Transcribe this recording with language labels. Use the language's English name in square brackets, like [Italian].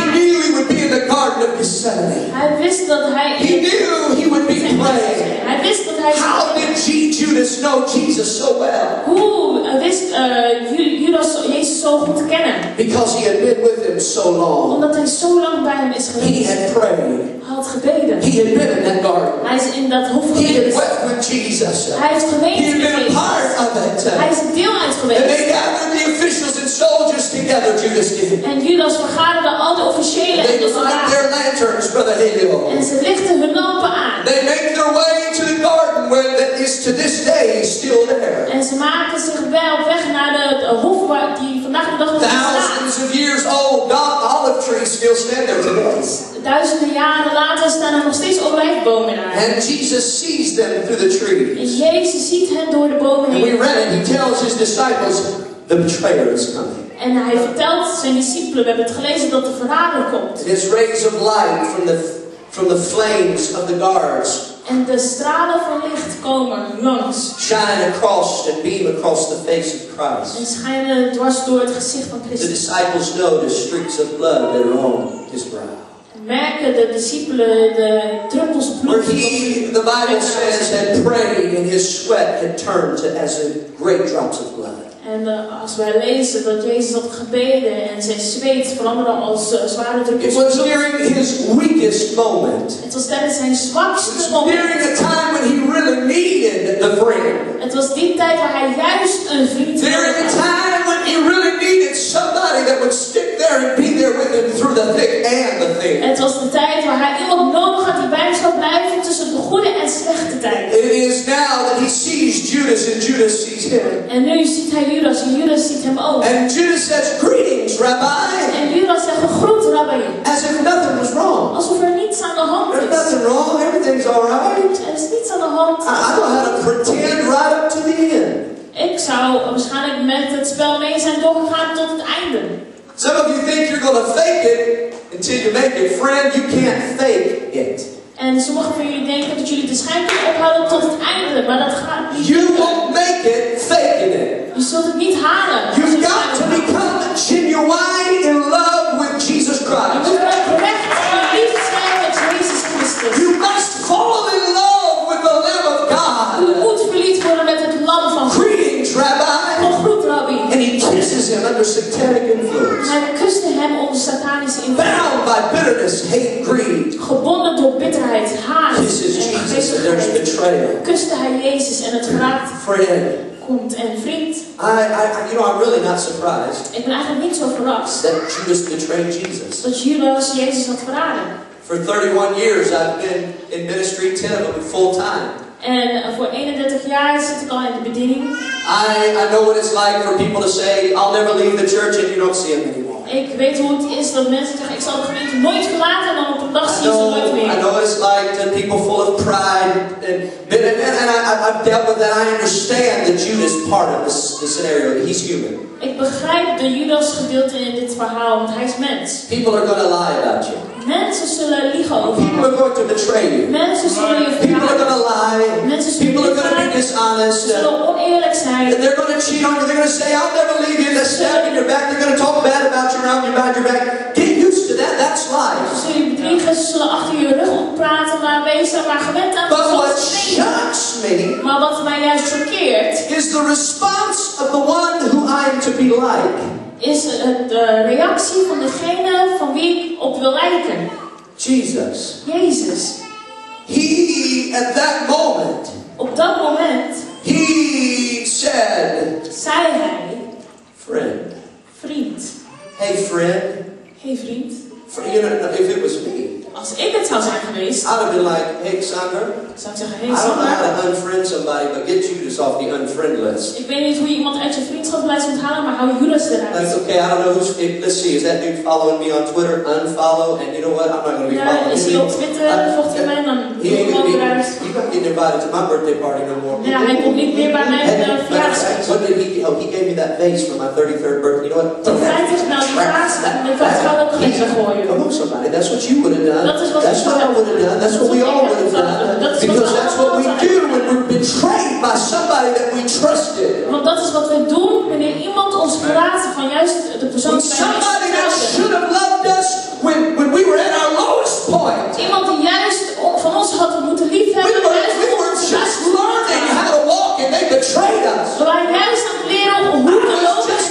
[English] He knew he would be in the Garden of Gethsemane. [Dutch] Hij wist dat hij. [English] He knew he would be praying. [Dutch] Hij wist dat hij. [English] How did Judas know Jesus so well? [Dutch] Hoe wist Judas Jezus zo goed te kennen? [English] Because he had been with him so long. [Dutch] Omdat hij zo lang bij hem is geweest. [English] He had prayed. He had been in that garden. [Dutch] Hij is in dat hof geweest. [English] He had wept with Jesus. [Dutch] Hij is geweest. [English] He had been a part of it. [Dutch] Hij is deel uit geweest. [English] And they gathered the officials and soldiers together, Judas did. [Dutch] En Judas vergaderde al de officiële en de soldaten. [English] They lit their lanterns, Brother Helio. [Dutch] En ze lichten hun lampen aan. [English] They made their way to the garden where that is to this day still there. [Dutch] En ze maakten zich wel op weg naar de hof waar die vandaag de dag nog staat. [English] Thousands of years old, olive trees still stand there today. [Dutch] Duizenden jaren later staan er nog steeds olijfbomen in haar. [English] And Jesus sees them through the trees. [Dutch] En Jezus ziet hen door de bomen heen. [English] And we read it, he tells his disciples, the betrayer is coming. [Dutch] En hij vertelt zijn discipelen, we hebben het gelezen, dat de verrader komt. [English] And his rays of light from the flames of the guards. [Dutch] En de stralen van licht komen langs. [English] Shine across and beam across the face of Christ. [Dutch] En schijnen dwars door het gezicht van Christus. [English] The disciples know the streaks of blood that are on his brow. [Dutch] Merken de discipelen de druppels bloed. [English] The Bible says that prayed and his sweat had turned to as a great drops of blood. [Dutch] En als wij lezen dat Jezus had gebeden en zijn zweet veranderde als zware druppels bloed. [English] It was during his weakest moment. [Dutch] Het was tijdens zijn zwakste moment. [English] During the time when he really needed the friend. [Dutch] Het was die tijd waar hij juist een vriend had. [English] During the time when he really needed somebody that would stick there and be there with him through the thick and the thin. [Dutch] Het was de tijd waar hij iemand nodig had die bij hem zou blijven tussen de goede en slechte tijden. [English] It is now that he sees Judas and Judas sees him. [Dutch] En nu ziet hij Judas en Judas ziet hem ook. [English] And Judas says, greetings, Rabbi. [Dutch] En Judas zegt, groet, Rabbi. [English] As if nothing was wrong. [Dutch] Alsof er niets aan de hand is. [English] There's nothing wrong, everything's alright. [Dutch] Er is niets aan de hand. [English] I don't know how to pretend right up to the end. [Dutch] Ik zou waarschijnlijk met het spel mee zijn doorgegaan tot het einde. [English] Some of you think you're going to fake it until you make it. Friend, you can't fake it. [Dutch] En sommigen van jullie denken dat jullie de schijn kunnen ophouden tot het einde, maar dat gaat niet. [English] You won't make it faking it. [Dutch] Je zult het niet halen. [English] You've got to become genuine in love with Jesus Christ. [Dutch] Je moet oprecht en lief zijn met Jesus Christus. [English] You must fall in love with the Lamb of God. [Dutch] Je moet verliefd worden met het Lam van God. [English] Greetings, Rabbi. [Dutch] Nog groet, Rabbi. [English] And he kisses him under satanic influence. [Dutch] Hij kuste hem onder satanische invloed. [English] Bound by bitterness, hate, greed. [Dutch] Gebonden door bitterheid, haat. [English] Kisses Jesus and there's betrayal. [Dutch] Kuste hij Jezus en het verraad. [English] Friend. [Dutch] En vriend, [English] I'm really not surprised. [Dutch] Ik ben eigenlijk niet zo verrast. [English] That Judas betrayed Jesus. [Dutch] Dat Judas Jezus had verraden. [English] For 31 years I've been in ministry, 10 of them full time. [Dutch] En voor 31 jaar zit ik al in de bediening. [English] I know what it's like for people to say, I'll never leave the church and you don't see them anymore. [Dutch] Ik weet hoe het is dat mensen zeggen, ik zal de gemeente nooit verlaten, dan op een dag zie je ze nooit meer. [English] I know it's like to people full of pride. And I've dealt with that. I understand that Judas part of this scenario. He's human. [Dutch] Ik begrijp de Judas gedeelte in dit verhaal, want hij is mens. [English] People are going to lie about you. [Dutch] Mensen zullen liegen over [English] je. People are going to betray you. [Dutch] Mensen zullen je [English] verraden. People are going to lie. [Dutch] Mensen zullen [English] people are going to be dishonest. [Dutch] Ze zullen oneerlijk zijn. [English] And they're going to cheat on you. They're going to say, I'll never leave you. They're stabbing your back. They're going to talk bad about you around your behind your back. Get used to that. That's life. [Dutch] Ze zullen je bedriegen. Ze zullen achter je rug op praten. Maar wees er maar gewend aan. [English] But what shocks me, [Dutch] maar wat mij juist choqueert, [English] is the response of the one who I am to be like. [Dutch] Is de reactie van degene van wie ik op wil lijken. [English] Jesus. [Dutch] Jezus. [English] He at that moment. [Dutch] Op dat moment. [English] He said. [Dutch] Zei hij. [English] Friend. [Dutch] Vriend. [English] Hey friend. [Dutch] Hey vriend. [English] You know, if it was me. [Dutch] Als ik het zou zijn geweest. [English] I'd have been like, hey Xander. [Dutch] Zou ik zeggen, hey Xander. [English] I don't know how to unfriend somebody, but get Judas off the unfriend list. [Dutch] Ik weet niet hoe je iemand uit je vriendschaplijst moet halen, maar hou Judas eruit. [English] That's okay, I don't know who's, let's see, is that dude following me on Twitter? Unfollow, and you know what, I'm not going to be following is him. [Dutch] Is hij op Twitter, volgt hij mij, dan doe ik ook eruit. [English] He's not getting invited to my birthday party no more. [Dutch] Ja, hij komt niet meer bij mijn verjaardag. [English] What did he gave me that face for my 33rd birthday, you know what? [Dutch] Dat feit is nou verhaast, en ik had het wel ook gegeven voor je. [English] Come on somebody, that's what you would have done. That's what I would have done. That's what we all would have done. Because that's what we do when we're betrayed by somebody that we trusted. [Dutch] Want dat is wat we doen wanneer iemand ons verlaat van juist de persoon die wij trusten. [English] Somebody that should have loved us when we were at our lowest point. [Dutch] Iemand die juist van ons had moeten liefhebben. [English] We were just learning how to walk and they betrayed us. [Dutch] We waren juist aan het leren om hoe te lopen.